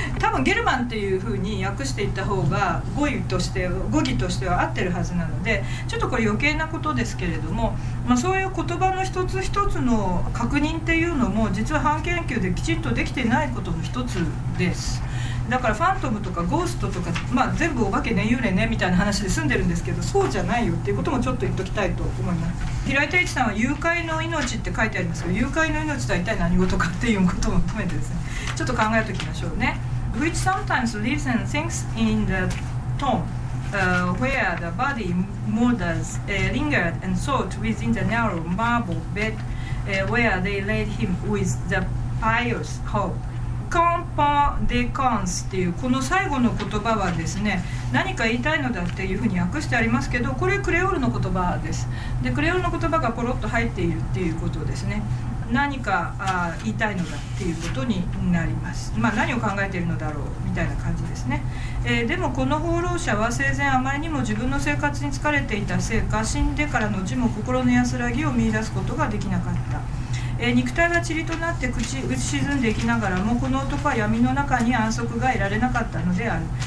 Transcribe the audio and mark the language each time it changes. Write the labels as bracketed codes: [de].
[ja] 多分ゲルマンっていう風に訳していった方が語義としては合ってるはずなので、ちょっとこれ余計なことですけれども、まあ、そういう言葉の一つ一つの確認っていうのも実は藩研究できちっとできてないことの一つです。だからファントムとかゴーストとか、まあ、全部お化けね、幽霊ねみたいな話で済んでるんですけど、そうじゃないよっていうこともちょっと言っときたいと思います。平井太一さんは誘拐の命って書いてありますけど、誘拐の命とは一体何事かっていうことも含めてですね、ちょっと考えておきましょうね。 [en] Which sometimes lives and thinks in the tomb、where the body murders、lingered and sought within the narrow marble bed、where they laid him with the pious hope [ja] カンパデカンスっていうこの最後の言葉はですね、何か言いたいのだっていうふうに訳してありますけど、これクレオールの言葉です。でクレオールの言葉がポロッと入っているっていうことですね。何か言いたいのだっていうことになります、まあ、何を考えているのだろうみたいな感じですね、でもこの放浪者は生前あまりにも自分の生活に疲れていたせいか、死んでからの後も心の安らぎを見出すことができなかった、肉体が塵となって朽ち沈んでいきながらも、この男は闇の中に安息が得られなかったのである。